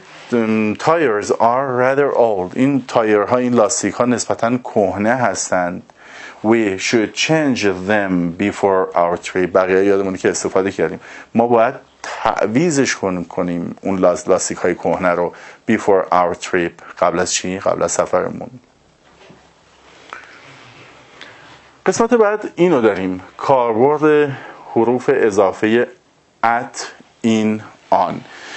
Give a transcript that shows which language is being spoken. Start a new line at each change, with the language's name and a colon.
English: The tires are rather old.
Persian: این تایرها، این لاستیک‌ها نسبتاً کهنه هستند.
English: We should change them before our trip.
Persian: بقیه یادمونه که استفاده کردیم. ما باید تعویزش کنیم اون لاستیک‌های کهنه رو.
English: Before our trip.
Persian: قبل از چی؟ قبل از سفرمون. قسمت بعد اینو داریم، کاربرد حروف اضافه at، in، on.